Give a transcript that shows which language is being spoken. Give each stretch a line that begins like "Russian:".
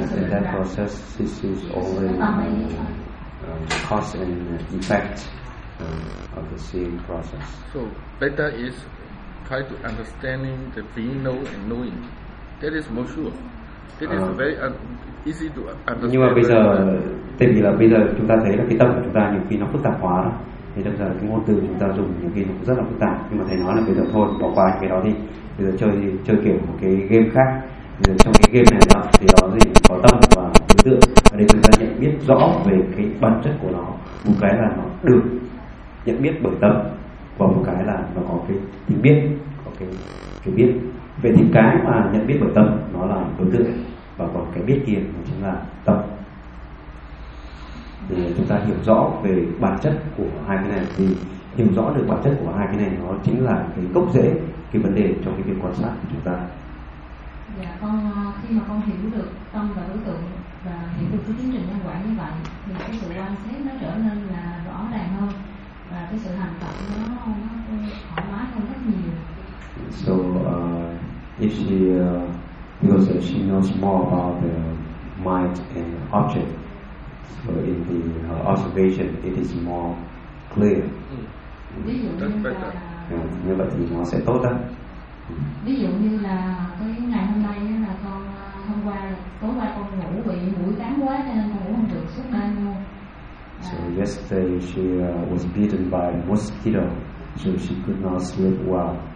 English: that process, this is always cause and effect of the same process. So better is try to understanding the being know and knowing. That is more sure. That is very easy to understand.
Vietnamese: Nhưng mà bây giờ, tại vì là bây giờ chúng ta thấy là cái tâm của chúng ta nhiều khi nó phức tạp quá đó. Thì đâm ra cái ngôn từ chúng ta dùng nhiều khi nó cũng rất là phức tạp. Nhưng mà thầy nói là bây giờ thôi, bỏ qua cái đó đi. Bây giờ chơi kiểu một cái game khác. Bây giờ trong cái game này đó, thì đó gì có tâm và đối tượng. Ở đây chúng ta nhận biết rõ về cái bản chất của nó. Một cái là nó được nhận biết bởi tâm, và một cái là nó có cái tính biết, có cái biết. Về thì cái mà nhận biết bởi tâm nó là đối tượng, và còn cái biết kia nó chính là tâm. Để chúng ta hiểu rõ về bản chất của hai cái này, thì hiểu rõ được bản chất của hai cái này nó chính là cái gốc rễ, cái vấn đề trong cái việc quan sát của chúng ta. Dạ, con khi mà con hiểu được tâm và đối tượng và hiểu được cái tiến trình nhân quả như vậy, thì cái sự quan sát nó trở nên là rõ ràng hơn, và cái sự hành tập nó thoải mái hơn rất nhiều.
English: So if she because she knows more about the mind and object, so in the observation it is more clear.
Vietnamese: Ví dụ như là như vậy thì nó sẽ tốt hơn. Ví dụ như là cái ngày hôm nay là con hôm qua tối qua con ngủ bị mũi cắn quá nên con ngủ không được suốt đêm luôn.
English: So yesterday she was bitten by mosquito, so she could not sleep well.